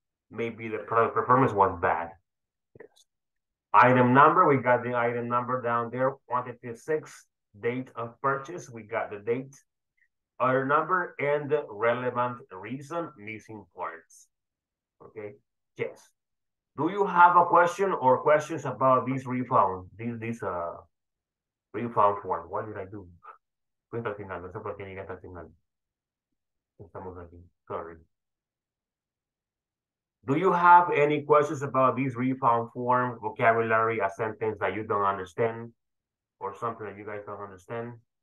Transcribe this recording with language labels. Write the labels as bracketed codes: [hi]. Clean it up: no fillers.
[en] Maybe the product performance was bad. Yes. Item number, we got the item number down there, quantity 6, date of purchase, we got the date, order number, and the relevant reason, missing parts. Okay, yes. Do you have a question or questions about this refund, this refund form? What did I do? [es] Cuenta al final, no sé por qué llega hasta el final. Estamos aquí, sorry. [en] Do you have any questions about this refund form, vocabulary, a sentence that you don't understand, or something that you guys don't understand?